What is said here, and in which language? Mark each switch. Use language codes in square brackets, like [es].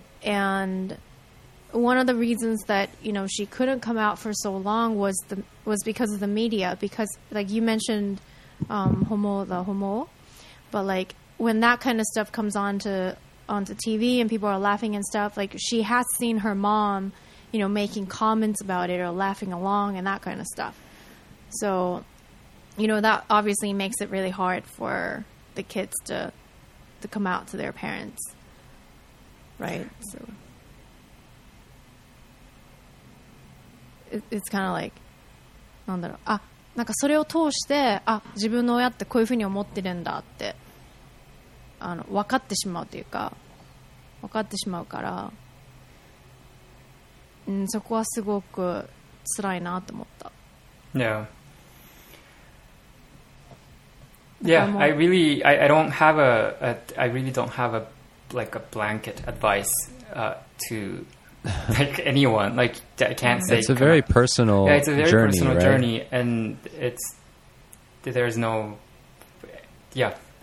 [en] And one of the reasons that, you know, she couldn't come out for so long was because of the media, because, like, you mentioned the homo, but, like, when that kind of stuff comes onto TV and people are laughing and stuff, like, she has seen her mom, you know, making comments about it or laughing along and that kind of stuff. So, you know, that obviously makes it really hard for the kids to come out to their parents. Right? So it's kind of like, [ja] なんだろう。あ、なんかそれを通して、あ、自分の親ってこういうふうに思ってるんだって、あの、分かってしまうというか、分かってしまうから、ん、そこはすごく辛いなと思った。 [en] Yeah. Yeah, I really don't have a like a blanket advice to like anyone. Like, I can't say. It's a very personal journey. Yeah, it's a very personal journey, and it's, there's no, yeah.